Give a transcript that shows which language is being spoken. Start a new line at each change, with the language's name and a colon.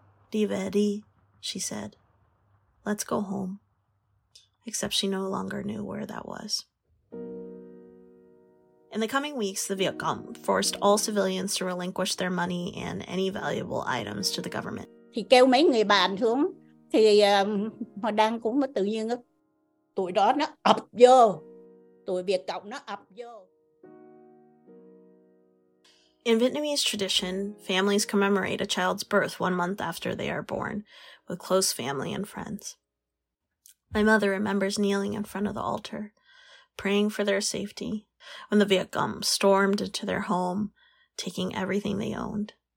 English: "Diveri," she said, "let's go home." Except she no longer knew where that was. In the coming weeks, the Viet Cong forced all civilians to relinquish their money and any valuable items to the government.
Vietnamese: Thì kêu mấy người bạn xuống, thì họ đang cũng mới tự nhiên tụi đó nó ập vô, tụi Viet Cong nó ập vô.
English: In Vietnamese tradition, families commemorate a child's birth 1 month after they are born, with close family and friends. My mother remembers kneeling in front of the altar, praying for their safety. When the Viet Cong stormed into their home, taking everything they owned.